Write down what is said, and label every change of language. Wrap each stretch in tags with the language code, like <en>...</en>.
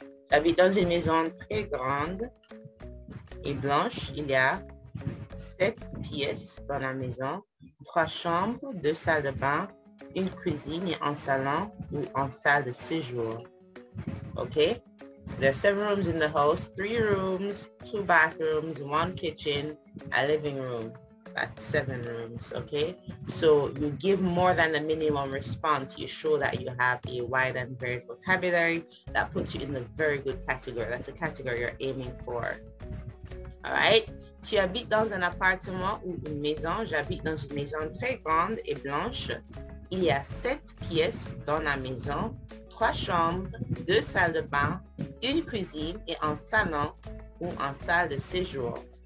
<fr>J'habite dans une maison très grande et blanche, il y a 7 pièces dans la maison, 3 chambres, 2 salles de bain, une cuisine et un salon ou en salle de séjour.</fr> <en>Okay? There are 7 rooms in the house, 3 rooms, 2 bathrooms, 1 kitchen, a living room. That's 7 rooms, okay? So you give more than the minimum response. You show that you have a wide and varied vocabulary that puts you in the very good category. That's the category you're aiming for. All right.</en> <fr>Tu habites dans un appartement ou une maison? J'habite dans une maison très grande et blanche. Il y a 7 pièces dans la maison, 3 chambres, 2 salles de bain, une cuisine et un salon ou une salle de séjour.</fr>